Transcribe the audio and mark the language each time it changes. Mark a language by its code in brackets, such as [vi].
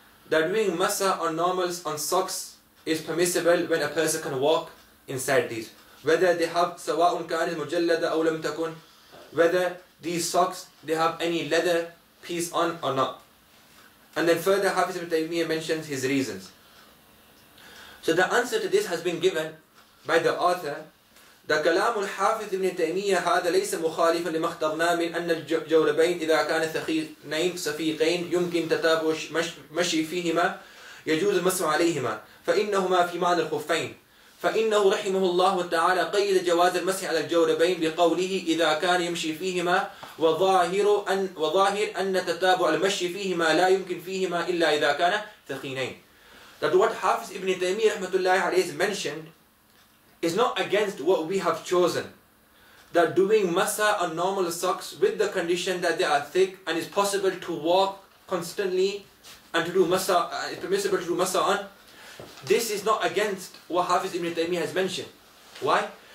[en] That doing masa on normals on socks is permissible when a person can walk inside these. Whether they have [ar] سواء كان المجلد أو لم تكن, [en] whether these socks they have any leather piece on or not. And then further, Hafiz ibn Taymiyyah mentions his reasons. So the answer to this has been given by the author that [ar] كلام الحافظ ابن تيمية هذا ليس مخالفا لما اخترنا من أن الجوربين إذا كان ثقيلين صفيقين يمكن تتابع مشي فيهما يجوز المسح عليهما فإنهما في معنى الخفين. فإنه رحمه الله تعالى قيد جواز المسح على الجوربين بقوله إذا كان يمشي فيهما وظاهر أن تتابع المشي فيهما لا يمكن فيهما إلا إذا كان ثقيلين. [en] That what Hafiz ibn Taymiyyah [ar] رحمة الله عليه [en] mentioned is not against what we have chosen. That doing masa on normal socks with the condition that they are thick and is possible to walk constantly and to do masa, is permissible to do masa on, this is not against what Hafiz ibn Taymiyyah has mentioned. Why?